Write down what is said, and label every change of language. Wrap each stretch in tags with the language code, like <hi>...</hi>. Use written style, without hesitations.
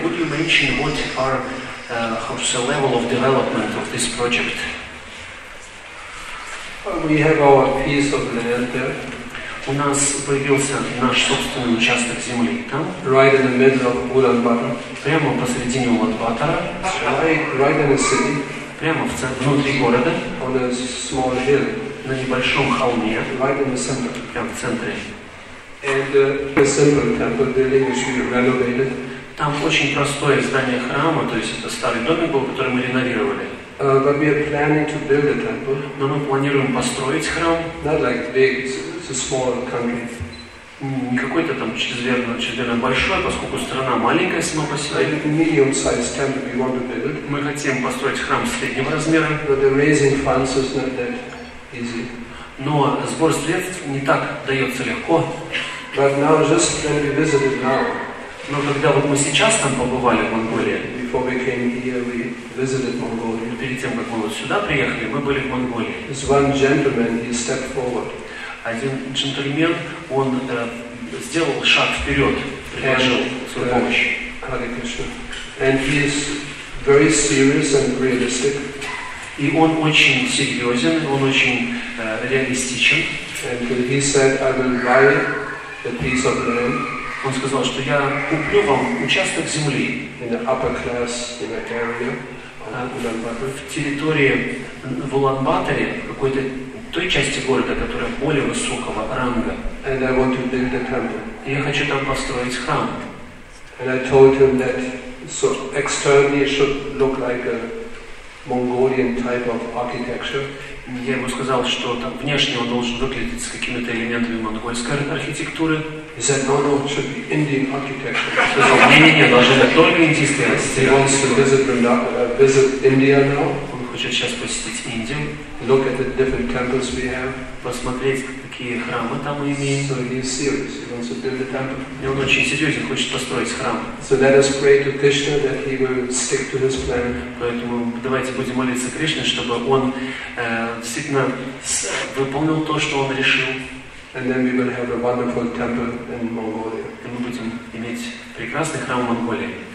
<en>Could you mention what are the level of development of this project? We have our piece of land there.</en> <ru>У нас появился наш собственный участок земли там.</ru> <en>Right in the middle of Ulaanbaatar.</en> <ru>Прямо посредине Улан-Батора.</ru> <en>Right in the city.</en> <ru>Прямо в центре, внутри города.</ru> <en>On a small hill.</en> <ru>На небольшом холме.</ru> <en>Right in the center.</en> <ru>Прямо в центре.</ru> <en>And a simple temple building which we renovated.</en> <ru>Там очень простое здание храма, то есть это старый домик был, который мы реновировали.</ru> <en>But we are planning to build a temple.</en> <ru>Но мы планируем построить храм.</ru> <en>Not like big, it's a small country.</en> <ru>Не какой-то там чрезмерно большой, поскольку страна маленькая сама по себе.</ru> <en>Like medium sized temple we want to build.</en> <ru>Мы хотим построить храм среднего размера.</ru> <en>But the raising funds is not that easy.</en> <ru>Но сбор средств не так дается легко.</ru> <en>But now, just when we visited now.</en> <ru>Но когда вот мы сейчас там побывали в Монголии.</ru> <en>Before we came here, we visited Mongolia.</en> <ru>Перед тем, как мы вот сюда приехали, мы были в Монголии.</ru> <en>This one gentleman, he stepped forward.</en> <ru>Один джентльмен, он сделал шаг вперед, предложил свою помощь.</ru> <en>Hare Krishna. And he is very serious and realistic.</en> <ru>И он очень серьезен, он очень реалистичен.</ru> <en>And he said, I will buy a piece of land.</en> <ru>Он сказал, что я куплю вам участок земли</ru> <en>in the upper class, in the area.</en> <ru>В территории в Улан-Баторе, в какой-то той части города, которая более высокого ранга.</ru> <en>And I want to build a temple.</en> <ru>И я хочу там построить храм.</ru> <en>And I told him that so externally it should look like a Mongolian type of architecture.</en> <ru>Я ему сказал, что там внешне он должен выглядеть с какими-то элементами монгольской архитектуры.</ru> <en>He said, no, no, it should be Indian architecture.</en> <ru>Сказал, не-не-не, должен быть только индийский архитектор.</ru> <en>He wants to visit, visit India now.</en> <ru>Он хочет сейчас посетить Индию.</ru> <en>Look at the different temples we have.</en> <ru>Посмотреть, какие храмы там имеем.</ru> <en>So he is serious. He wants to build a temple.</en> <ru>И он очень серьезен, хочет построить храм.</ru> <en>So let us pray to Krishna that he will stick to his plan.</en> <ru>Поэтому давайте будем молиться Кришне, чтобы он действительно выполнил то, что он решил.</ru> <en>And then we will have a wonderful temple in Mongolia.</en> <ru>И мы будем иметь прекрасный храм в Монголии.</ru>